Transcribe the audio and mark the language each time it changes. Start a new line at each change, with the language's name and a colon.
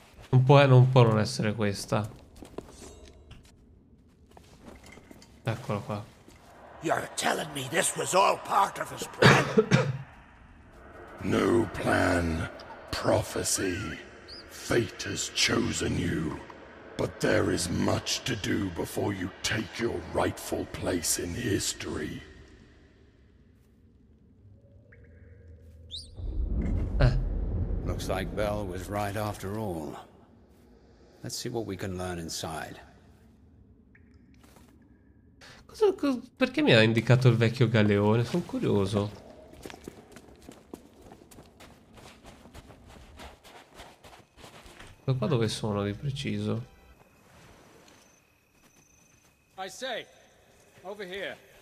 Italian: Non può non essere questa. Eccolo qua.
English: You're telling me this was all part of his plan? No plan, prophecy. Fate has chosen you, but there is much to do before you take your rightful place in history. Looks like Bell was right after all. Let's see what we can learn inside.
Italian: Perché mi ha indicato il vecchio galeone? Sono curioso. Da qua dove sono di preciso?
English: I say, over here.